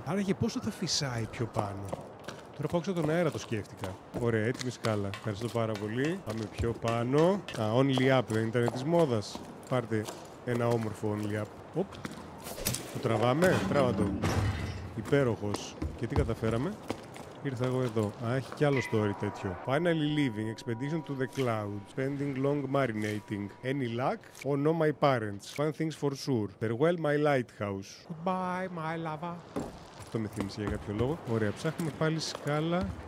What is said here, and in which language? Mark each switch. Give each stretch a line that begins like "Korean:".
Greek: Άραγε πόσο θα φυσάει πιο πάνω. Τώρα πάω ξανά τον αέρα, το σκέφτηκα. Ωραία, έτοιμη σκάλα. Ευχαριστώ πάρα πολύ. Πάμε πιο πάνω. Α, only up, δεν ήταν της μόδας. Πάρτε ένα όμορφο only up. Οπ. Το τραβάμε, τράβα το. Υπέροχος. Και τι καταφέραμε. Ήρθα εγώ εδώ. Α, έχει κι άλλο story τέτοιο.
English: Finally leaving. Expedition to the cloud. Spending long marinating. Any luck? Oh no, my parents. Fun things for sure. Farewell, my lighthouse. Goodbye, my lava.
Greek: Αυτό με θύμισε για κάποιο λόγο. Ωραία, ψάχνουμε πάλι σκάλα.